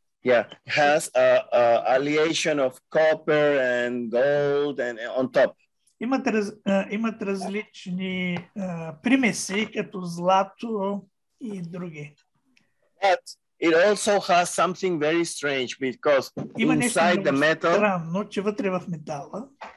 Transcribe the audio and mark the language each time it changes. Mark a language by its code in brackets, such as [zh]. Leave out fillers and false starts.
[en] Yeah, has a alliation of copper and gold and on top. [bg] Имат различни примеси като злато и други. [en] But it also has something very strange because inside the metal. [bg] Има нещо странно, че вътре в метала.